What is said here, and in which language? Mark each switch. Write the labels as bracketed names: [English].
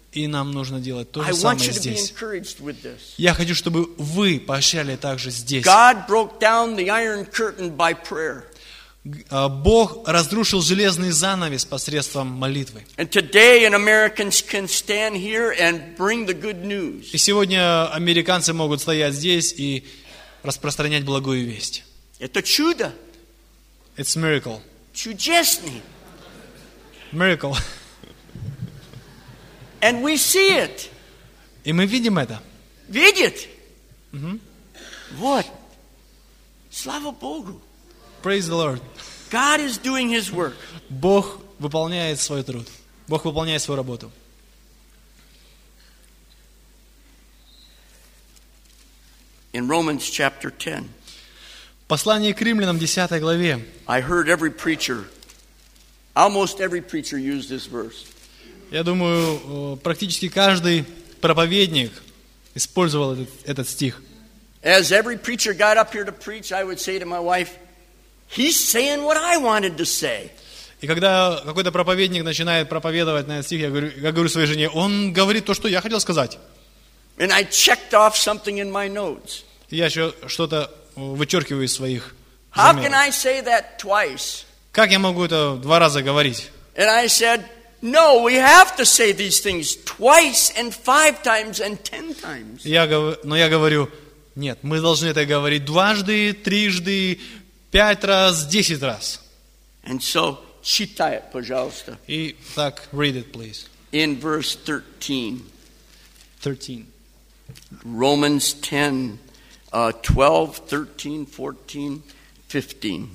[Russian] И нам нужно делать то же самое здесь. Я хочу, чтобы вы поощряли также здесь. [English] God broke down the iron curtain by prayer. [Russian] Бог разрушил железный занавес посредством молитвы. [English] And today an American can stand here and bring the good news. [Russian] И сегодня американцы могут стоять здесь и распространять благую весть. Это чудо. [English] It's a miracle. [Russian] Чудесный. [English] Miracle. And we see it. [Russian] И мы видим это. Видит. Mm-hmm. Вот. Слава Богу. [English] Praise the Lord. God is doing His work. [Russian] Бог выполняет свой труд. Бог выполняет свою работу. [English] In Romans chapter 10. [Russian] Послание к Римлянам, 10 главе. [English] I heard every preacher, almost every preacher used this verse. [Russian] Я думаю, практически каждый проповедник использовал этот стих. [English] As every preacher got up here to preach, I would say to my wife, he's saying what I wanted to say. [Russian] И когда какой-то проповедник начинает проповедовать на этот стих, я говорю своей жене, он говорит то, что я хотел сказать. [English] And I checked off something in my notes. [Russian] И я еще что-то вычеркиваю из своих заметок. [English] How can I say that twice? [Russian] Как я могу это два раза говорить? [English] And I said, no, we have to say these things twice and five times and 10 times. [Russian] Но я говорю, нет, мы должны это говорить дважды, трижды, пять раз, 10 раз. [English] And so, [Russian] читай, пожалуйста. И так, [English] read it, please. In verse 13. 13. Romans 10, 12, 13, 14. 15.